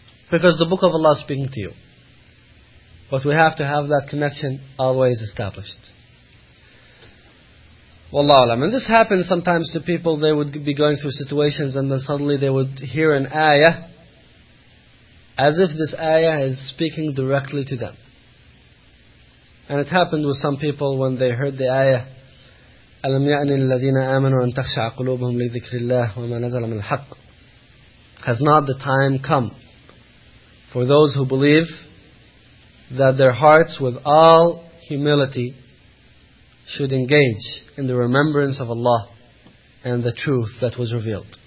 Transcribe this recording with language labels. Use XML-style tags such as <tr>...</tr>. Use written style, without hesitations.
<en>Because the Book of Allah is speaking to you. But we have to have that connection always established. Wallahu alam. And this happens sometimes to people, they would be going through situations and then suddenly they would hear an ayah as if this ayah is speaking directly to them. And it happened with some people when they heard the ayah,</en> <ar>أَلَمْ يَعْنِ الَّذِينَ آمَنُوا أَن تَخْشَعَ قُلُوبُهُمْ لِذِكْرِ اللَّهِ وَمَا نَزَلَ مِنَ الْحَقِّ.</ar> <en>Has not the time come for those who believe that their hearts with all humility should engage in the remembrance of Allah and the truth that was revealed.</en>